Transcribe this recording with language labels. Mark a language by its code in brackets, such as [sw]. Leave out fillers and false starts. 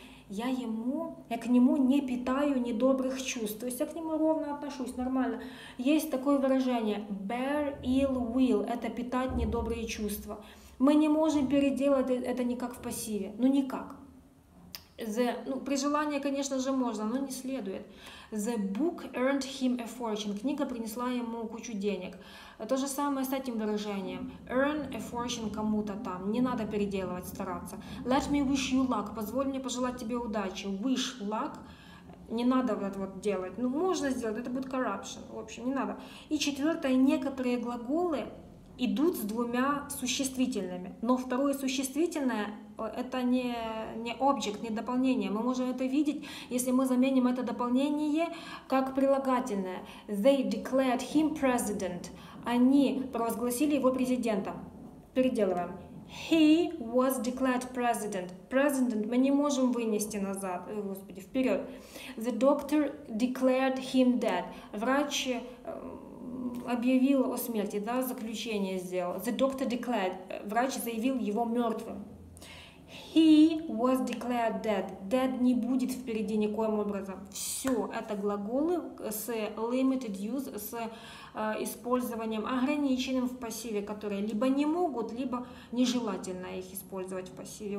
[ru] Я к нему не питаю недобрых чувств. То есть я к нему ровно отношусь, нормально. Есть такое выражение [en] bear ill will. [ru] Это питать недобрые чувства. Мы не можем переделать это никак в пассиве. Ну никак. При желании, конечно же, можно, но не следует. [en] The book earned him a fortune. [ru] Книга принесла ему кучу денег. То же самое с этим выражением. [en] Earn a fortune [ru] кому-то там. Не надо переделывать, стараться. [en] Let me wish you luck. [ru] Позволь мне пожелать тебе удачи. [en] Wish luck. [ru] Не надо вот это вот делать. Ну, можно сделать, это будет corruption. В общем, не надо. И четвертое. Некоторые глаголы идут с двумя существительными. Но второе существительное – это не объект, не дополнение. Мы можем это видеть, если мы заменим это дополнение как прилагательное. [en] They declared him president. [ru] Они провозгласили его президентом. Переделываем. [en] He was declared president. [ru] President мы не можем вынести назад. Ой, Господи, вперед. [en] The doctor declared him dead. [ru] Врач объявил о смерти, да, заключение сделал. [en] The doctor declared. [ru] Врач заявил его мертвым. [en] He was declared dead. [ru] Dead не будет впереди никоим образом. Все, это глаголы с [en] limited use, [ru] с использованием ограниченным в пассиве, которые либо не могут, либо нежелательно их использовать в пассиве.